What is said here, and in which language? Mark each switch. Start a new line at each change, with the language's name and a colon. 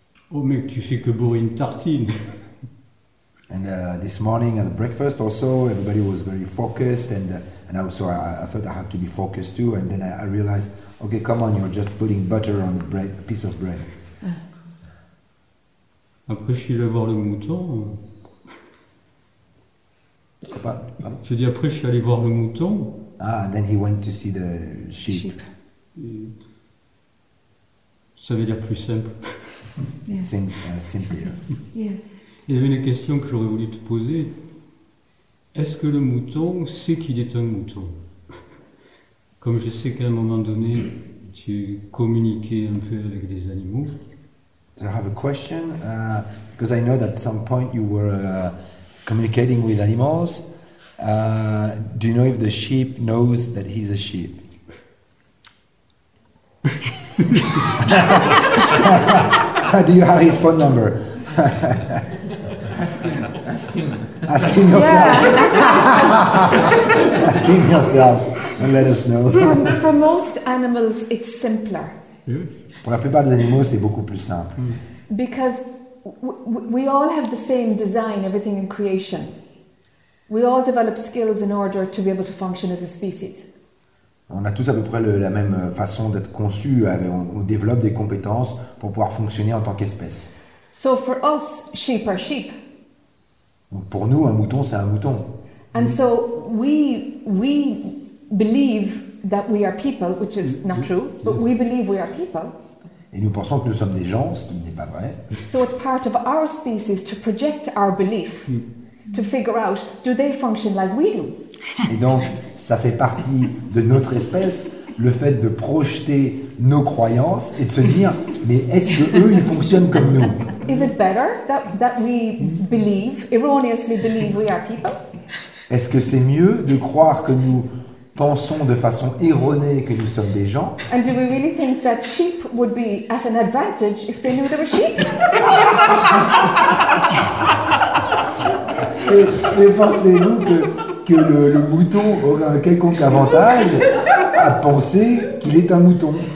French: Oh, mec, tu fais que bourrer une tartine.
English: And this morning at the breakfast also, everybody was very focused, and also I thought I had to be focused too, and then I realized, okay, come on, you're just putting butter on the bread, a piece of bread.
French: Après, je suis allé voir le mouton. Je dis, après, je suis allé voir le mouton.
English: Ah, and then he went to see the sheep.
French: Ça veut dire plus simple.
English: Yes. Simpler. Yes.
French: Il y avait une question que j'aurais voulu te poser. Est-ce que le mouton sait qu'il est un mouton? Comme je sais qu'à un moment donné, tu communiquais un peu avec les animaux.
English: So I have a question because I know that at some point you were communicating with animals. Do you know if the sheep knows that he's a sheep? Do you have his phone number? Ask him yourself. Yeah, ask him yourself and let us know. For most animals, it's simpler.
French: Pour la plupart des animaux, c'est beaucoup plus simple.
English: Because we all have the same design, everything in creation. We all develop skills in order to be able to function as a species.
French: On a tous à peu près la même façon d'être conçu. On développe des compétences pour pouvoir fonctionner en tant qu'espèce.
English: So for us, sheep are sheep.
French: Pour nous, un mouton, c'est un mouton.
English: And so we believe that we are people, which is not true, but we believe we are people.
French: Et nous pensons que nous sommes des gens, ce qui n'est pas vrai.
English: So it's part of our species to project our belief, to figure out, do they function like we do?
French: Et donc, ça fait partie de notre espèce, le fait de projeter nos croyances et de se dire, mais est-ce que eux, ils fonctionnent comme nous?
English: Is it better that we believe, erroneously believe we are people?
French: Est-ce que c'est mieux de croire que nous pensons de façon erronée que nous sommes des gens?
English: And do we really think that sheep would be at an advantage if they knew they were sheep?
French: Et pensez-vous que le mouton aurait un quelconque avantage à penser qu'il est un mouton?